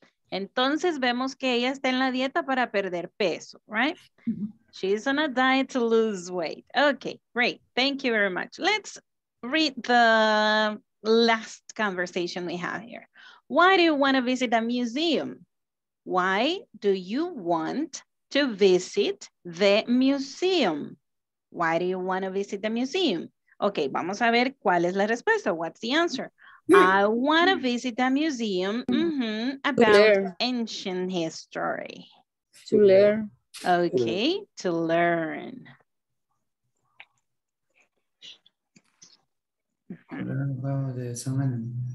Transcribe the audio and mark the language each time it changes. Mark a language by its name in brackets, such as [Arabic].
[Spanish] Entonces vemos que ella está en la dieta para perder peso, right? [English] She's on a diet to lose weight. Okay, great. Thank you very much. Let's read the last conversation we have here. Why do you want to visit a museum? Why do you want to visit the museum? Why do you want to visit the museum? [Spanish] Okay, vamos a ver cuál es la respuesta. [English] What's the answer? I want to visit a museum about ancient history. To learn. Okay, to learn. Learn about the